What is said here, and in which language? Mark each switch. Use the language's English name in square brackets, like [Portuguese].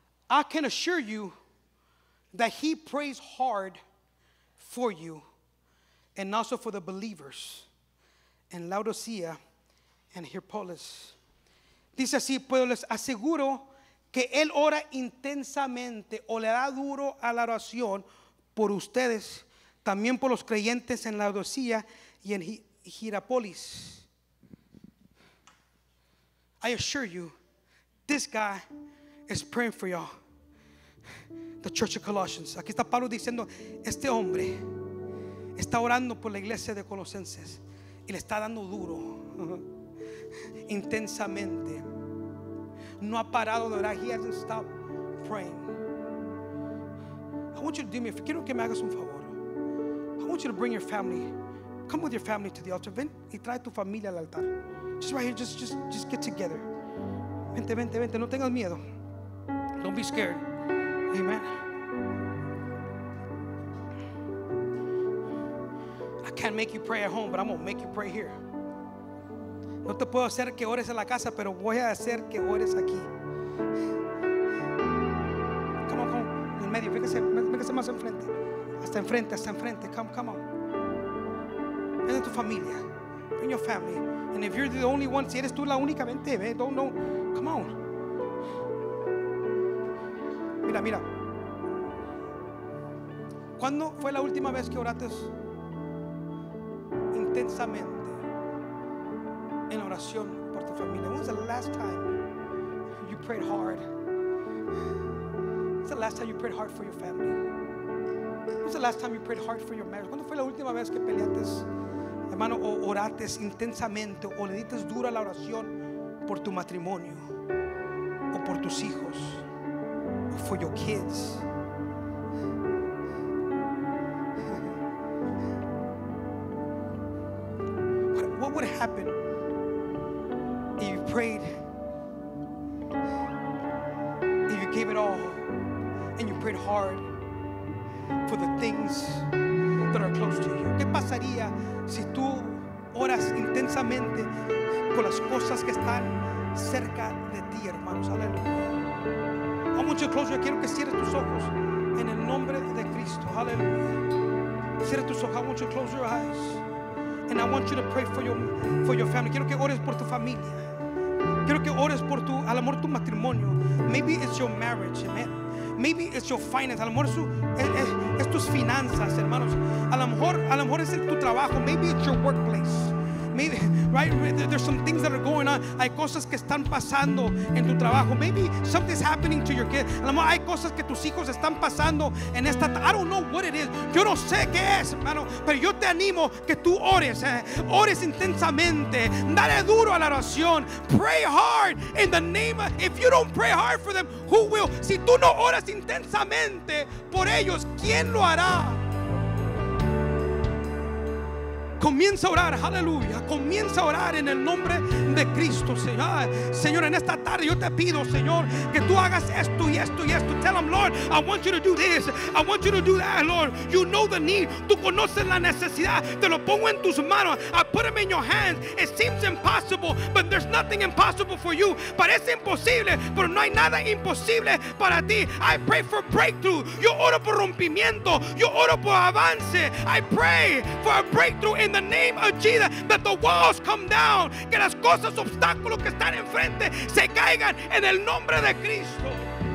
[English] I can assure you that he prays hard for you and also for the believers in Laodicea and Hierapolis. [Spanish] Dice así, pues les aseguro que él ora intensamente o le da duro a la oración por ustedes, también por los creyentes en Laodicea y en Hierapolis. [English] I assure you, this guy is praying for y'all. The Church of Colossians. [Spanish] Aquí está Pablo diciendo, este hombre está orando por la iglesia de Colosenses y le está dando duro, intensamente. No ha parado de orar. [English] He hasn't stopped praying. I want you to do me, [Spanish] quiero que me hagas un favor. [English] I want you to bring your family. Come with your family to the altar. [Spanish] Ven y trae tu familia al altar. [English] Just right here, just get together. [Spanish] Vente, vente, vente. No tengas miedo. [English] Don't be scared. Amen. I can't make you pray at home, but I'm going to make you pray here. [Spanish] No te puedo hacer que ores en la casa, pero voy a hacer que ores aquí. [English] Come on, come on. [Spanish] En medio, fíjese más enfrente. Hasta enfrente. [English] Come, come on. [Spanish] Ven a tu familia. [English] Bring your family. And if you're the only one, [Spanish] si eres tú la única, vente, ve. [English] Don't. Come on. [Spanish] Mira. ¿Cuándo fue la última vez que oraste intensamente en oración por tu familia? [English] When was the last time you prayed hard? When's the last time you prayed hard for your family? When's the last time you prayed hard for your marriage? [Spanish] ¿Cuándo fue la última vez que peleaste, hermano, o oraste intensamente o le diste dura la oración por tu matrimonio o por tus hijos? [English] For your kids. What would happen if you prayed, if you gave it all and you prayed hard for the things that are close to you? [Spanish] ¿Qué pasaría si tú oras intensamente por las cosas que están cerca de ti, hermanos? [English] Aleluya. I want you to close. [Spanish] Yo quiero que cierres tus ojos en el nombre de Cristo. [English] Hallelujah. [Spanish] Cierre tus ojos. [English] I want you to close your eyes. And I want you to pray for your family. [Spanish] Quiero que ores por tu familia. Quiero que ores por tu, al amor, tu matrimonio. [English] Maybe it's your marriage, amen. Maybe it's your finance. [Spanish] A lo mejor es tus finanzas, hermanos. A lo mejor es tu trabajo. [English] Maybe it's your workplace. Maybe, right? [Spanish] There's some things that are going on. Hay cosas que están pasando en tu trabajo. [English] Maybe something's happening to your kid. [Spanish] A lo mejor hay cosas que tus hijos están pasando en esta. [English] I don't know what it is. [Spanish] Yo no sé qué es, hermano. Pero yo te animo que tú ores. Ores intensamente. Dale duro a la oración. [English] Pray hard in the name of. If you don't pray hard for them, who will? [Spanish] Si tú no oras intensamente por ellos, ¿quién lo hará? Comienza a orar, aleluya. Comienza a orar en el nombre de Cristo, Señor. Señor, en esta tarde yo te pido, Señor, que tú hagas esto y esto y esto. [English] Tell him, Lord, I want you to do this. I want you to do that, Lord. You know the need. [Spanish] Tú conoces la necesidad. Te lo pongo en tus manos. [English] I put them in your hands. It seems impossible, but there's nothing impossible for you. [Spanish] Parece imposible, pero no hay nada imposible para ti. [English] I pray for breakthrough. [Spanish] Yo oro por rompimiento. Yo oro por avance. [English] I pray for a breakthrough in the name of Jesus, that the walls come down, [Spanish] que las cosas, obstáculos que están enfrente se caigan en el nombre de Cristo.